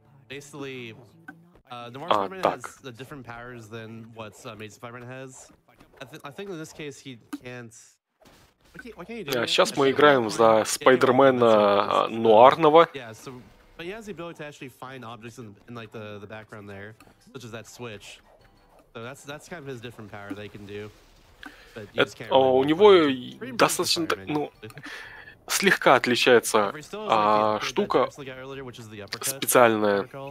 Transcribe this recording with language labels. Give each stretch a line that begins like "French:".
English: Basically, Noir Spider-Man has different powers than what Amazing Spider-Man has. I think in this case he can't... What can you do?
Russian: Yeah, сейчас мы играем за Спайдермена Нуарного.
English: Yeah, so, but he has the ability to actually find objects in like the background there, such as that switch. So that's kind of his different power that he can do.
Russian: У него достаточно, слегка отличается штука специальная.